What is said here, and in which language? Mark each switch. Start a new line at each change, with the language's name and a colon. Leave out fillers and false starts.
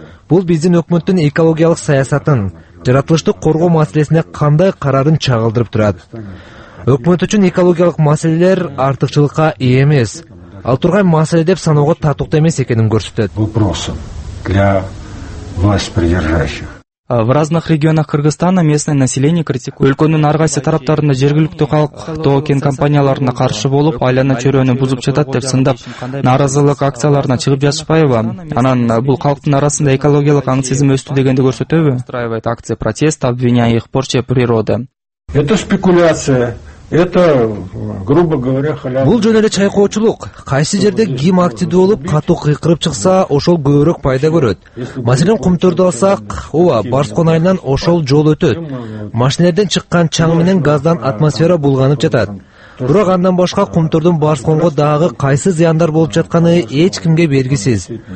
Kyrgyz: Бул биздин өкмөттүн экологиялык саясатын, жаратылышты коргоо маселесине кандай карарын чагылдырып турат. Өкмөт үчүн экологиялык маселелер артыкчылыкка ээ эмес, ал турган маселе деп саноого татыктуу эмес экенин көрсөтөт.
Russian: В разных регионах Кыргызстана местное население критикует.
Kyrgyz: Өлкөнүн ар кайсы тараптарында жергиликтүү халык тоо-кен компанияларына каршы болуп, айлана чөйрөнү бузуп жатат деп сындап, нааразылык акцияларына чыгып жатышпайбы? Анан бул калктын арасында экологиялык аң сезим өстү дегенди көрсөтөбү?
Russian: Устраивает акция протеста, обвиняя их в порче природы. Это спекуляция. Это, грубо говоря, халява.
Kyrgyz: Бул жөн эле чайкоочулук. Кайсы жерде ким активдүү болуп, катуу кыйкырып чыкса, ошол көбүрөөк пайда көрөт. Маселен, Кумтөрдү алсак, ооба, Барскон айылынан ошол жол өтөт. Машинелерден чыккан чаң менен газдан атмосфера булганып жатат. бирок андан башка кумтурдун Башконго дагы кайсы зыяндар болуп жатканы эч кимге белгисиз.